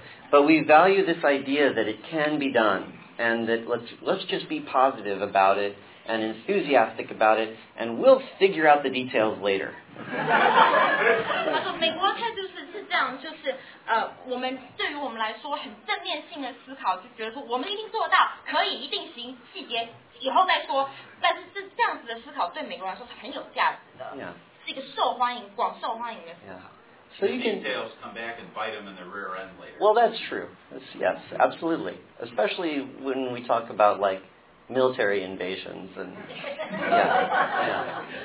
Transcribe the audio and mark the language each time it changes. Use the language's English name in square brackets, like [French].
[English] But we value this idea that it can be done. And that let's just be positive about it and enthusiastic about it, and we'll figure out the details later. [Chinese] 他说美国态度是这样，就是我们对于我们来说很正面性的思考，就觉得说我们一定做到，可以，一定行，细节以后再说。但是这样子的思考对美国来说是很有价值的， [English] yeah. [Chinese] 是一个受欢迎、广受欢迎的思考。 [English] Yeah. So you can details come back and bite them in the rear end later. Well, that's true. Yes, absolutely. Especially when we talk about like military invasions and yeah.